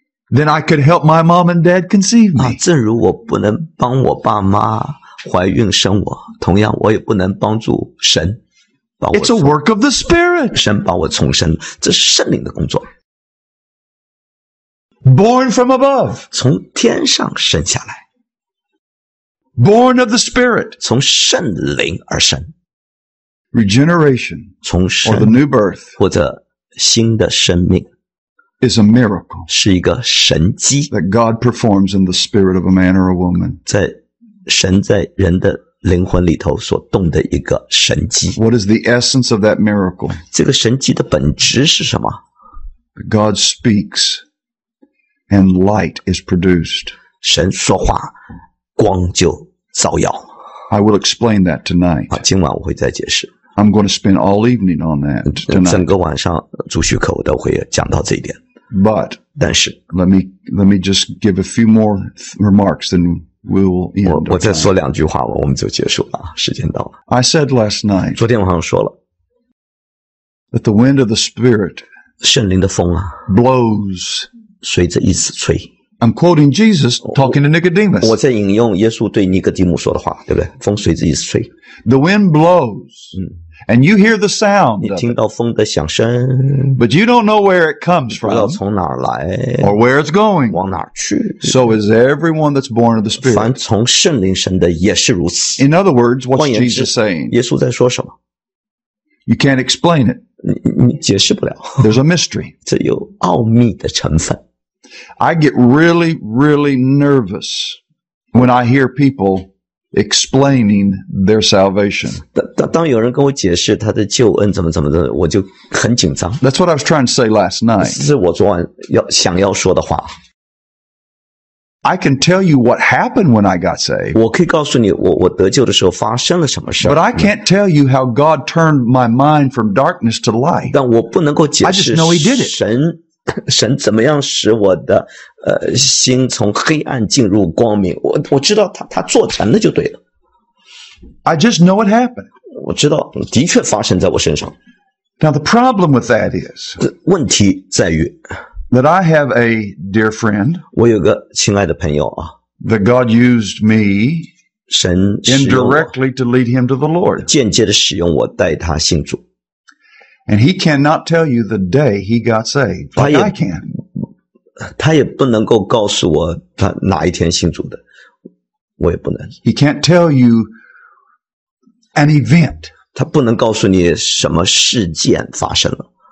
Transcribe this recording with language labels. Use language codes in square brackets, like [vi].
[en] Then I could help my mom and dad conceive me. [zh] 正如我不能帮我爸妈怀孕生我，同样我也不能帮助神把我。 [en] It's a work of the Spirit. [zh] 神把我重生，这是圣灵的工作。 [en] Born from above. [zh] 从天上生下来。 [en] Born of the Spirit. [zh] 从圣灵而生。 [en] Regeneration. [zh] 从圣。 [en] Or the new birth. [zh] 或者新的生命。 [en] Is a miracle. [zh] 是一个神迹。 [en] That God performs in the spirit of a man or a woman. [zh] 在神在人的灵魂里头所动的一个神迹。 [en] What is the essence of that miracle? [zh] 这个神迹的本质是什么？ [en] God speaks and light is produced. [zh] 神说话，光就照耀。 [en] I will explain that tonight. [zh] 今晚我会再解释。 [en] I'm going to spend all evening on that tonight. [zh] 整个晚上主叙口都会讲到这一点。 [en] But, [zh] 但是 [en] let me just give a few more remarks than we will end. [zh] 我再说两句话，我们就结束了，时间到了。 [en] I said last night. [zh] 昨天晚上说了。 [en] That the wind of the Spirit [zh] 圣灵的风啊 [en] blows, [zh] 随着意思吹。 [en] I'm quoting Jesus talking to Nicodemus. [zh] 我在引用耶稣对尼哥底母说的话，对不对？风随着意思吹。 [en] The wind blows, and you hear the sound. [zh] 你听到风的响声。 [en] But you don't know where it comes from. [zh] 不知道从哪儿来。 [en] Or where it's going. [zh] 往哪儿去。 [en] So is everyone that's born of the Spirit. [zh] 凡从圣灵生的也是如此。 [en] In other words, what's Jesus saying? [zh] 耶稣在说什么？ [en] You can't explain it. [zh] 你解释不了。 [en] There's a mystery. [zh] 这有奥秘的成分。 [en] I get really, really nervous when I hear people explaining their salvation. [zh] 当有人跟我解释他的救恩怎么怎么的，我就很紧张。 [en] That's what I was trying to say last night. [zh] 这是我昨晚想要说的话。 [en] I can tell you what happened when I got saved. [zh] 我可以告诉你我得救的时候发生了什么事。 [en] But I can't tell you how God turned my mind from darkness to light. [zh] 但我不能够解释。 [en] I just know he did it. [zh] 神怎么样使我的心从黑暗进入光明。我知道他做成了就对了。 [en] I just know what happened. [zh] 我知道的确发生在我身上。 [en] Now the problem with that is, [zh] 问题在于 [en] That I have a dear friend. [zh] 我有个亲爱的朋友啊。 [en] That God used me. [zh] 神 [en] indirectly to lead him to the Lord. [zh] 间接的使用我带他信主。 [en] And he cannot tell you the day he got saved. Like I can. [zh] 他也不能够告诉我他哪一天信主的。我也不能。 [en] He can't tell you an event. [zh] 他不能告诉你什么事件发生了。